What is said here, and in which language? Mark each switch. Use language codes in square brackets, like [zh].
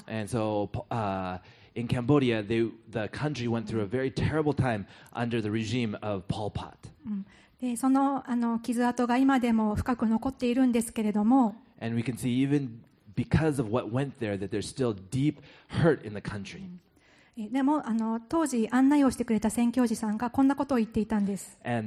[en] And so, in Cambodia, the country went through a very terrible time under the regime of Pol Pot. [ja] その傷跡が今でも深く残っているんですけれども。 [en] And we can see even because of what went there that there's still deep hurt in the country. [ja] でも当時案内をしてくれた宣教師さんがこんなことを言っていたんです。